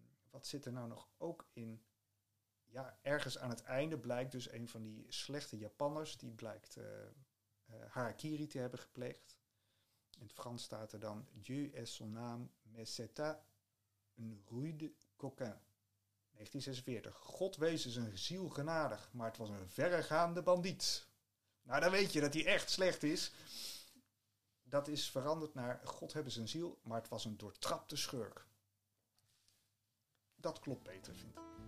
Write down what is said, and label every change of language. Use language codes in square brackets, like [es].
[nl] Wat zit er nou nog ook in? Ja, ergens aan het einde blijkt dus een van die slechte Japanners, die blijkt harakiri te hebben gepleegd. In het Frans staat er dan, [fr] Dieu est son âme, mais c'est un rude coquin. [nl] 1946, God wezen zijn ziel genadig, maar het was een verregaande bandiet. Nou, dan weet je dat hij echt slecht is. Dat is veranderd naar, God hebben zijn ziel, maar het was een doortrapte schurk. Dat klopt beter, vind ik.